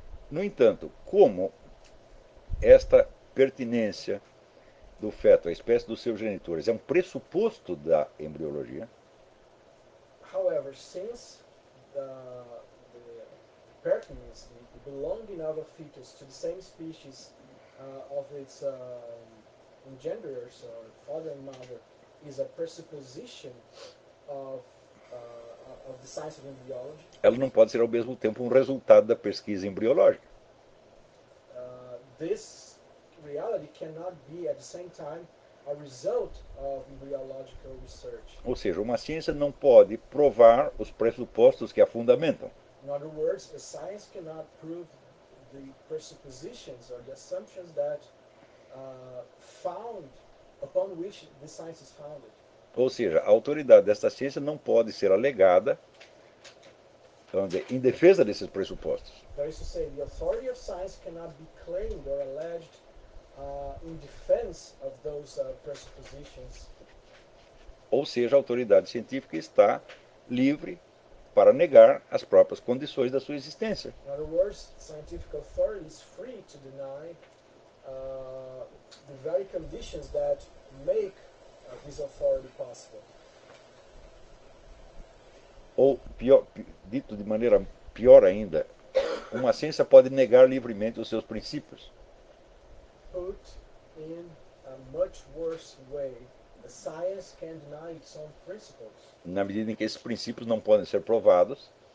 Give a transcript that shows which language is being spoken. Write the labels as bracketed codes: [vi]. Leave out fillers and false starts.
[pt] No entanto, como esta pertinência do feto à espécie dos seus genitores é um pressuposto da embriologia. [en] However, since the pertinence, the belonging of a fetus to the same species of its engenderers, or father and mother, is a presupposition of the science of embryology. [pt] Ela não pode ser ao mesmo tempo um resultado da pesquisa embriológica. [en] This reality cannot be at the same time a result of embryological research. [pt] Ou seja, uma ciência não pode provar os pressupostos que a fundamentam. [en] In other words, a science cannot prove the presuppositions or the assumptions that found upon which the science is founded. [pt] Ou seja, a autoridade desta ciência não pode ser alegada em defesa desses pressupostos. [en] That is to say, the authority of science cannot be claimed or alleged in defense of those presuppositions. [pt] Ou seja, a autoridade científica está livre para negar as próprias condições da sua existência. [en] In other words, scientific authority is free to deny the very conditions that make this authority possible. [pt] Ou, pior, dito de maneira pior ainda, uma ciência pode negar livremente os seus princípios. [en] Put in a much worse way, the science can deny its own principles. [pt] Na medida em que esses princípios não podem ser provados,